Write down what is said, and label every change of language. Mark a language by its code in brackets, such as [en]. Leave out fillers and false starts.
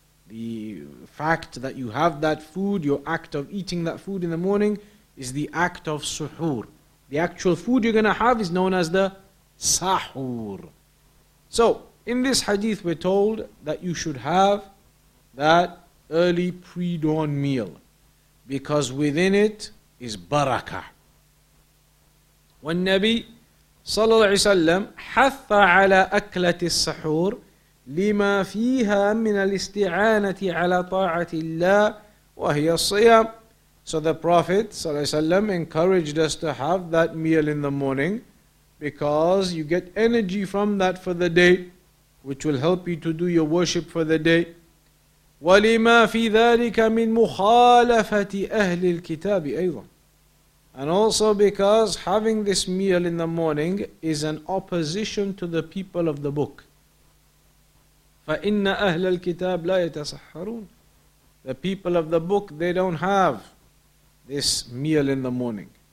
[en] The fact that you have that food, your act of eating that food in the morning, is the act of suhoor. The actual food you're going to have is known as the sahoor. So, in this hadith we're told that you should have that early pre-dawn meal. Because within it is barakah. When [ar] Nabi صلى الله عليه وسلم حث على أكلة السحور لما فيها من الاستعانة على طاعة الله وهي الصيام. [en] So the Prophet صلى الله عليه وسلم encouraged us to have that meal in the morning because you get energy from that for the day, which will help you to do your worship for the day. [ar] ولما في ذلك من مخالفة أهل الكتاب أيضا. [en] And also because having this meal in the morning is an opposition to the people of the book. [ar] فَإِنَّ أَهْلَ الْكِتَابِ لَا يَتَسَحَّرُونَ [en] The people of the book, they don't have this meal in the morning.